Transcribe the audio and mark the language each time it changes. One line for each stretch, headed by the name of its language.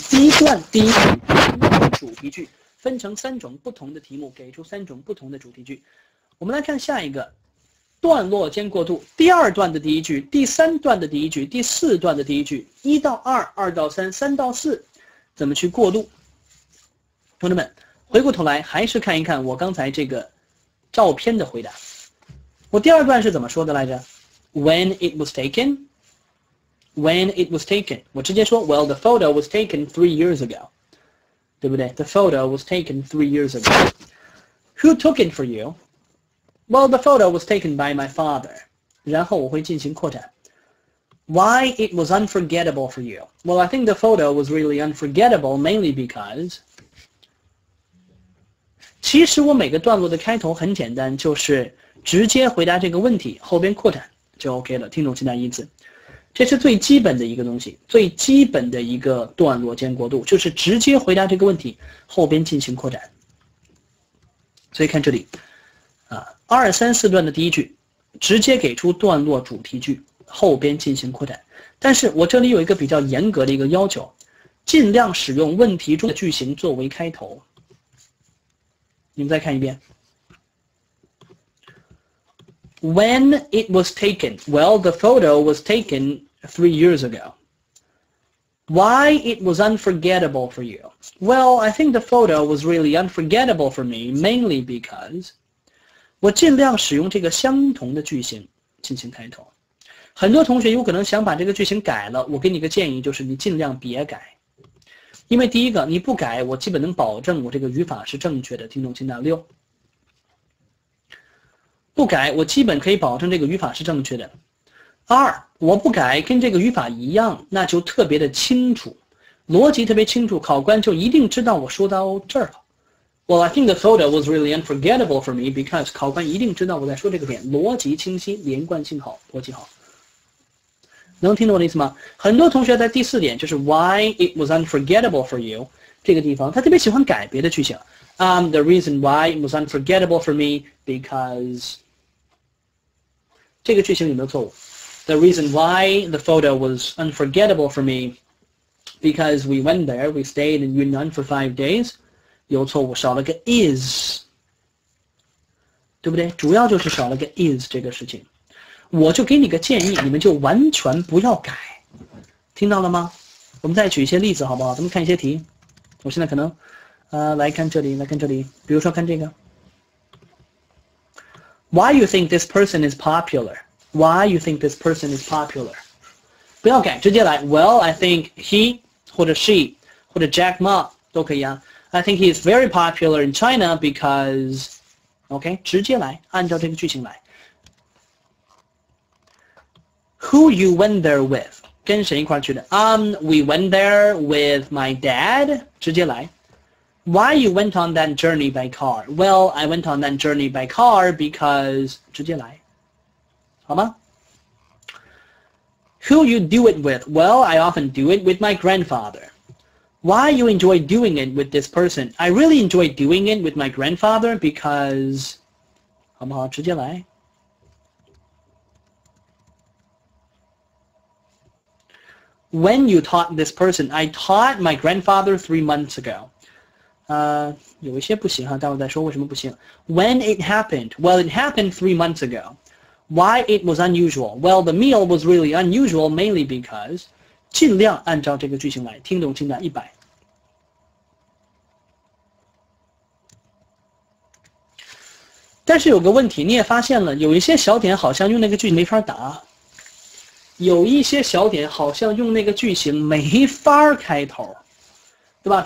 Chinese: 第一段第一主题句。分成三种不同的题目，给出三种不同的主题句。我们来看下一个段落间过渡，第二段的第一句，第三段的第一句，第四段的第一句，一到二，二到三，三到四，怎么去过渡？同志们，回过头来还是看一看我刚才这个照片的回答。我第二段是怎么说的来着
English: ？When it was taken, when it was taken，
Chinese: 我直接说
English: ，Well, the photo was taken 3 years ago，
Chinese: 对不对
English: ？The photo was taken 3 years ago。 Who took it for you？ Well, the photo was taken by my father.
Chinese: 然后我会进行扩展。
English: Why it was unforgettable for you? Well, I think the photo was really unforgettable, mainly because...
Chinese: 其实我每个段落的开头很简单，就是直接回答这个问题，后边扩展就 OK 了，听懂其他意思。这是最基本的一个东西，最基本的一个段落间过渡，就是直接回答这个问题，后边进行扩展。所以看这里。二三四段的第一句直接给出段落主题句，后边进行扩展。但是我这里有一个比较严格的一个要求，尽量使用问题中的句型作为开头。你们再看一遍。
English: When it was taken, well, the photo was taken 3 years ago. Why it was unforgettable for you? Well, I think the photo was really unforgettable for me, mainly because...
Chinese: 我尽量使用这个相同的句型进行开头。很多同学有可能想把这个句型改了，我给你个建议，就是你尽量别改。因为第一个，你不改，我基本能保证我这个语法是正确的，听懂清单六。不改，我基本可以保证这个语法是正确的。二，我不改，跟这个语法一样，那就特别的清楚，逻辑特别清楚，考官就一定知道我说到这儿了。
English: Well, I think the photo was really unforgettable for me because
Chinese: 考官一定知道我在说这个点，逻辑清晰，连贯性好，逻辑好。能听懂我的意思吗？很多同学在第四点，就是
English: why it was unforgettable for you
Chinese: 这个地方，他特别喜欢改别的句型。
English: The reason why it was unforgettable for me because
Chinese: 这个句型有没有错误
English: ？The reason why the photo was unforgettable for me because we went there, we stayed in Yunnan for 5 days.
Chinese: 有错误，少了个 is， 对不对？主要就是少了个 is 这个事情。我就给你个建议，你们就完全不要改，听到了吗？我们再举一些例子好不好？咱们看一些题。我现在可能，来看这里，来看这里。比如说看这个
English: ，Why you think this person is popular? Why you think this person is popular?
Chinese: 不要改，直接来。
English: Well, I think he
Chinese: 或者
English: she 或者 Jack Ma
Chinese: 都可以啊。
English: I think he is very popular in China because...
Chinese: OK, 直接来，按照这个句型来。
English: Who you went there with?
Chinese: 跟谁一块去的？
English: We went there with my dad.
Chinese: 直接来。
English: Why you went on that journey by car? Well, I went on that journey by car because...
Chinese: 直接来。好吗？
English: Who you do it with? Well, I often do it with my grandfather. Why you enjoy doing it with this person? I really enjoy doing it with my grandfather because...
Chinese: 好不好？直接来。
English: When you taught this person? I taught my grandfather 3 months ago.
Chinese: 有一些不行哈，待会再说为什么不行。
English: When it happened? Well, it happened 3 months ago. Why it was unusual? Well, the meal was really unusual mainly because...
Chinese: 尽量按照这个句型来，听懂清单100。但是有个问题，你也发现了，有一些小点好像用那个句型没法答，有一些小点好像用那个句型没法开头，对吧？